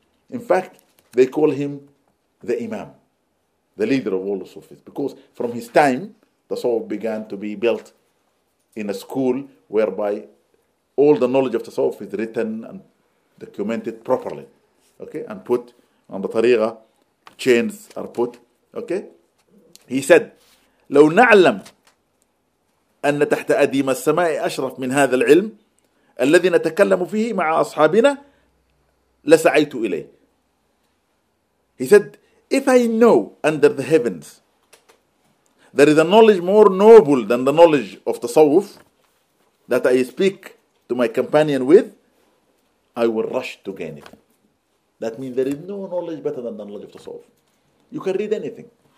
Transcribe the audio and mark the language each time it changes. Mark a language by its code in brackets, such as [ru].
[en] In fact, they call him the Imam, the leader of all the Sufis, because from his time, the Sawf began to be built in a school whereby all the knowledge of the Sawf is written and documented properly. Okay, and put on the tariqah, chains are put. Okay, he said, [ar] لو نعلم أن تحت أديم السماء أشرف من هذا العلم الذي نتكلم فيه مع أصحابنا لسعيت إليه. [en] He said, if I know under the heavens there is a knowledge more noble than the knowledge of the tasawwuf that I speak to my companion with, I will rush to gain it. That means there is no knowledge better than the knowledge of the tasawwuf. You can read anything.